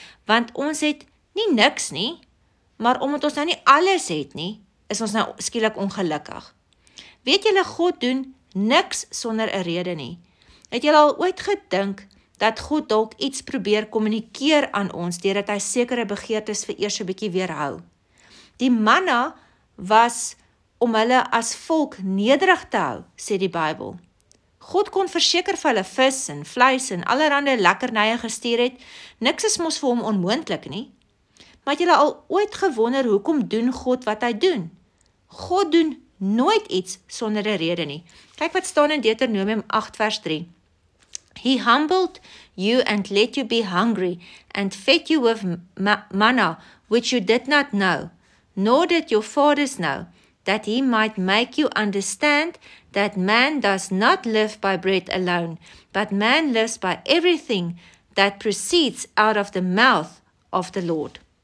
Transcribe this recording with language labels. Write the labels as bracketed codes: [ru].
[af] Want ons het nie niks nie, maar omdat ons nou nie alles het nie, is ons nou skielik ongelukkig. Weet julle, God doen niks sonder 'n rede nie. Het julle al ooit gedink dat God dalk iets probeer kommunikeer aan ons, deurdat hy sekere begeertes vir eers so 'n bietjie weerhou? Die manna was om hulle as volk nederig te hou, sê die Bybel. God kon verseker vir hulle vis en vleis en allerhande lekkernye gestuur het. Niks is mos vir hom onmoontlik nie. Maar het julle al ooit gewonder hoekom doen God wat hy doen? God doen nooit iets sonder 'n rede nie. Kyk wat staan in Deuteronomium 8 vers 3. [en] He humbled you and let you be hungry and fed you with manna which you did not know, nor did your fathers know, that he might make you understand that man does not live by bread alone, but man lives by everything that proceeds out of the mouth of the Lord.